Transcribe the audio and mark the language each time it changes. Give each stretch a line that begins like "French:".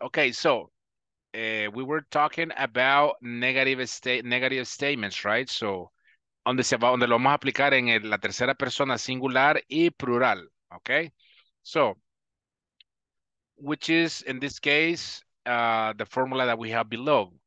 English: Okay, so we were talking about negative statements, right?
Spanish: So donde lo vamos a aplicar en la tercera persona singular y plural.
English: Okay. So which is in this case the formula that we have below.